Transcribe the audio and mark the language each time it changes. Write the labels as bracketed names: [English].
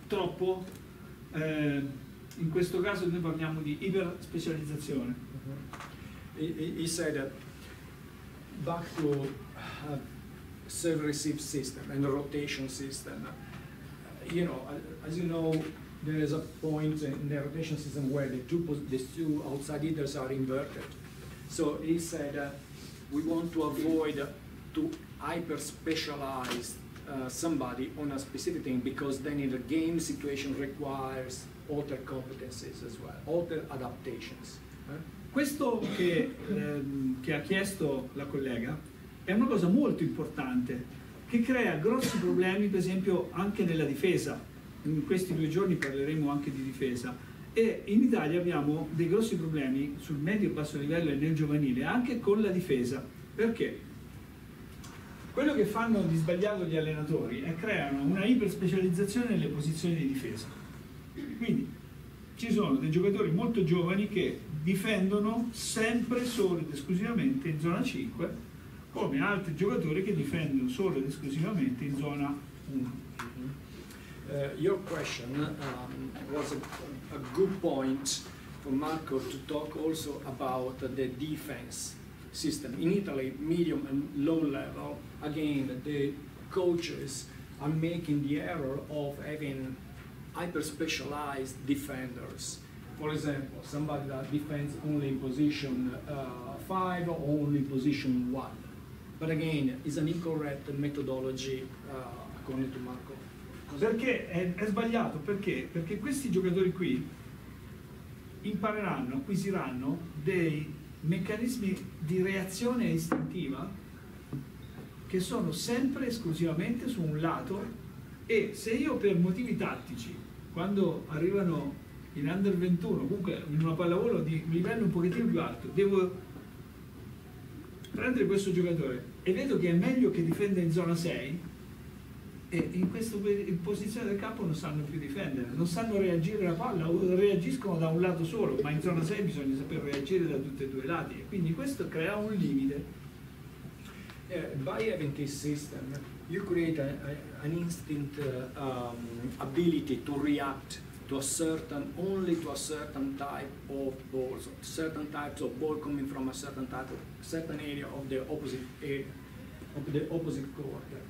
[Italian] troppo, in questo caso noi parliamo di iper specializzazione. [English] He said that back to serve receive system and rotation system, you know, as you know, there is a point in the rotation system where the two outside hitters are inverted. So he said we want to avoid to hyper specialize somebody on a specific thing, because then in the game situation requires other competencies as well, other adaptations. [Italian] Questo che ha chiesto la collega è una cosa molto importante, che crea grossi problemi, per esempio, anche nella difesa. In questi due giorni parleremo anche di difesa. E in Italia abbiamo dei grossi problemi sul medio e basso livello e nel giovanile, anche con la difesa. Perché? Quello che fanno di sbagliato gli allenatori è creano una iperspecializzazione nelle posizioni di difesa. Quindi ci sono dei giocatori molto giovani che difendono sempre solo ed esclusivamente in zona 5, come altri giocatori che difendono solo ed esclusivamente in zona 1. [English] Your question was a good point for Marco to talk also about the defense system. In Italy, medium and low level, again, the coaches are making the error of having hyper-specialized defenders. For example, somebody that defends only in position 5 or only in position 1. But again, it's an incorrect methodology, according to Marco. [Italian] Perché è sbagliato? Perché? Perché questi giocatori qui impareranno, acquisiranno dei meccanismi di reazione istintiva che sono sempre esclusivamente su un lato, e se io per motivi tattici, quando arrivano in under 21, comunque in una pallavolo di livello un pochettino più alto, devo prendere questo giocatore e vedo che è meglio che difenda in zona 6, e in questa posizione del campo non sanno più difendere, non sanno reagire la palla, o reagiscono da un lato solo, ma in zona 6 bisogna saper reagire da tutti e due i lati, e quindi questo crea un limite. [English] By having this system, you create an instinct ability to react to a certain type of balls, certain types of ball coming from a certain type of certain area of the opposite area, of the opposite court.